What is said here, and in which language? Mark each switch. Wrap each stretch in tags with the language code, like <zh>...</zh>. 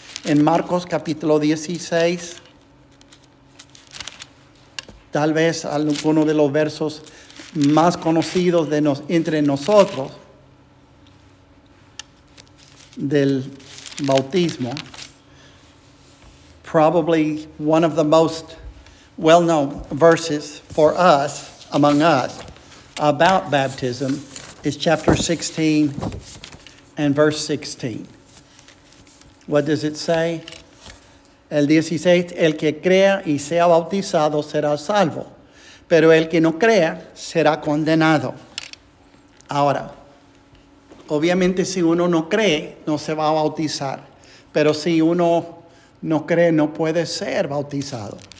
<es>In Marcos capítulo 16, tal vez alguno de los versos más conocidos de entre nosotros del bautismo.</es> <en>Probably one of the most well-known verses for us, among us, about baptism is chapter 16 and verse 16. What does it say?</en> <es>El 16, el que crea y sea bautizado será salvo, pero el que no crea será condenado. Ahora, obviamente si uno no cree, no se va a bautizar. Pero si uno no cree, no puede ser bautizado.</es>